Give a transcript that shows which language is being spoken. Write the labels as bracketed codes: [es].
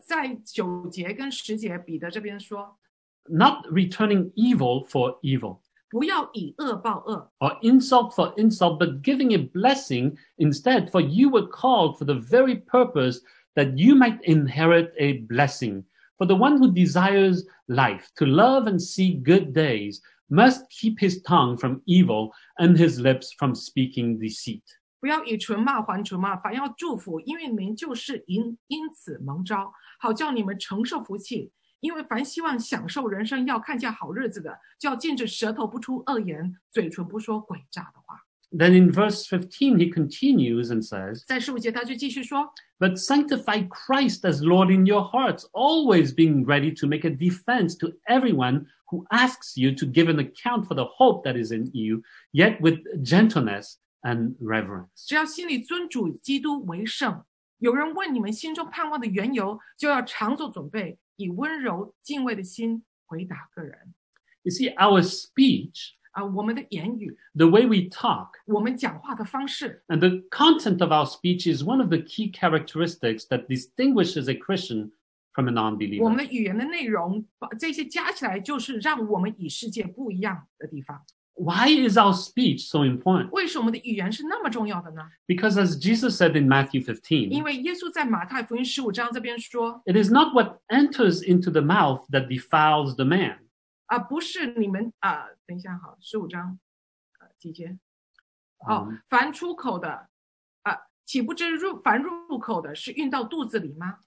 [zh] 在九节跟十节，彼得这边说， [en] Not returning evil for evil, [zh] 不要以恶报恶， [en] or insult for insult, but giving a blessing instead, for you were called for the very purpose that you might inherit a blessing. For the one who desires life, to love and see good days, must keep his tongue from evil and his lips from speaking deceit. [zh] 不要以唇骂还唇骂，反要祝福，因为你们就是 因此蒙召，好叫你们承受福气。因为凡希望享受人生，要看见好日子的，就要禁止舌头不出恶言，嘴唇不说诡诈的话。 [en] Then in verse 15, he continues and says, [zh] 在十五节他就继续说， [en] But sanctify Christ as Lord in your hearts, always being ready to make a defense to everyone who asks you to give an account for the hope that is in you, yet with gentleness,And reverence. [zh] 只要心里尊主基督为圣，有人问你们心中盼望的缘由，就要常做准备，以温柔敬畏的心回答个人。 [en] You see, our speech, [zh] 我们的言语， [en] the way we talk, [zh] 我们讲话的方式， [en] and the content of our speech is one of the key characteristics that distinguishes a Christian from a non-believer. [zh] 我们的语言的内容，这些加起来就是让我们与世界不一样的地方。 [en] Why is our speech so important? [zh] 为什么我们的语言是那么重要的呢？ [en] Because as Jesus said in Matthew 15, [zh] 因为耶稣在马太福音十五章这边说， [en] It is not what enters into the mouth that defiles the man. [zh] 不是你们，等一下好，十五章，几节？凡出口的，岂不知凡入口的是运到肚子里吗？